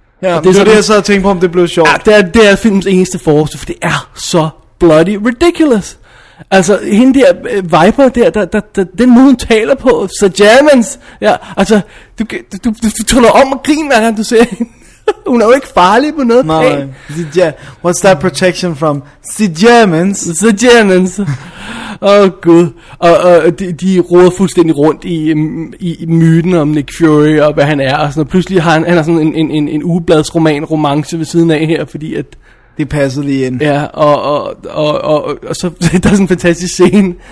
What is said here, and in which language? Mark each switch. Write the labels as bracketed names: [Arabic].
[Danish] Ja, det er sådan, det, jeg så havde tænkt på, om det blev sjovt. Ja, det er filmens eneste forårs, for det er så [English] bloody ridiculous. [Danish] Altså, hende der Viper der, den måde, hun taler på, så Germans, ja, altså, du tuller om og griner, når du ser hende. Hun er jo ikke farlig på noget. [English] Nej, what's that protection from? The Germans. The Germans. Åh, oh, gud. [Danish] Og de roder fuldstændig rundt i myten om Nick Fury og hvad han er. Og sådan. Pludselig har han sådan en ugebladsroman romance ved siden af her, fordi at... Det passede lige ind. Ja, og så der er sådan en fantastisk scene.